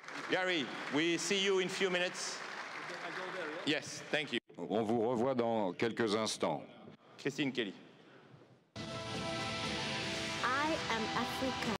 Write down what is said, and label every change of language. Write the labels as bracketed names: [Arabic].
[English] Gary, we see you in a few minutes. Yes, thank you. [French] On vous revoit dans quelques instants. [English] Christine Kelly. I am Africa.